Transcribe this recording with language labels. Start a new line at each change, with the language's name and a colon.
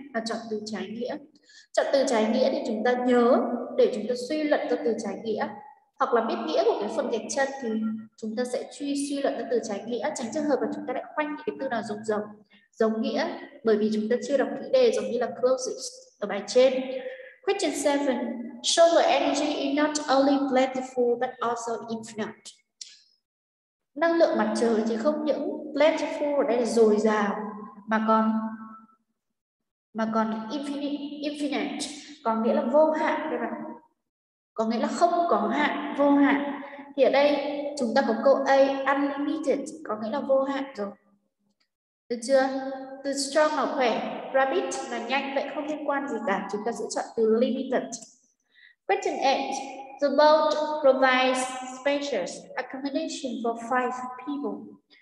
Vietnamese: Và chọn từ trái nghĩa. Chọn từ trái nghĩa thì chúng ta nhớ để chúng ta suy luận ra từ trái nghĩa. Hoặc là biết nghĩa của cái phần gạch chân thì chúng ta sẽ suy luận ra từ trái nghĩa. Tránh trường hợp là chúng ta lại khoanh những cái từ nào giống nghĩa. Bởi vì chúng ta chưa đọc kỹ đề giống như là closest ở bài trên.
English: Question 7. Solar energy is not only plentiful but also infinite.
Vietnamese: Năng lượng mặt trời thì không những plentiful, đây là dồi dào, mà còn mà còn infinite có nghĩa là vô hạn, các bạn, có nghĩa là không có hạn, vô hạn. Thì ở đây chúng ta có câu A, unlimited có nghĩa là vô hạn rồi, được chưa? Từ strong là khỏe, rapid là nhanh, vậy không liên quan gì cả, chúng ta sẽ chọn từ limited.
English: Question 8, the boat provides spacious accommodation for five people.